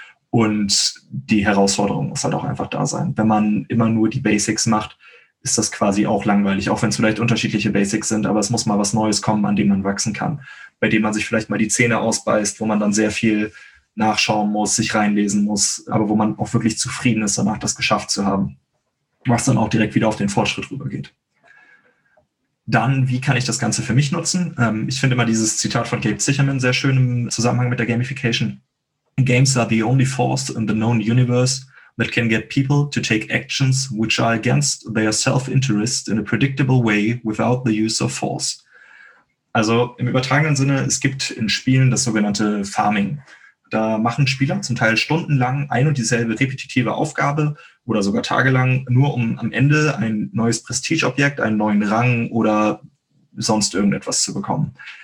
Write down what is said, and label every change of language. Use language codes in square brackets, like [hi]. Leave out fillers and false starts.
[de] Und die Herausforderung muss halt auch einfach da sein. Wenn man immer nur die Basics macht, ist das quasi auch langweilig, auch wenn es vielleicht unterschiedliche Basics sind, aber es muss mal was Neues kommen, an dem man wachsen kann, bei dem man sich vielleicht mal die Zähne ausbeißt, wo man dann sehr viel nachschauen muss, sich reinlesen muss, aber wo man auch wirklich zufrieden ist, danach das geschafft zu haben, was dann auch direkt wieder auf den Fortschritt rübergeht. Dann, wie kann ich das Ganze für mich nutzen? Ich finde immer dieses Zitat von Gabe Sicherman sehr schön im Zusammenhang mit der Gamification. [en] Games are the only force in the known universe that can get people to take actions which are against their self-interest in a predictable way without the use of force. [de] Also im übertragenen Sinne, es gibt in Spielen das sogenannte Farming. Da machen Spieler zum Teil stundenlang ein und dieselbe repetitive Aufgabe oder sogar tagelang, nur um am Ende ein neues Prestige-Objekt, einen neuen Rang oder sonst irgendetwas zu bekommen.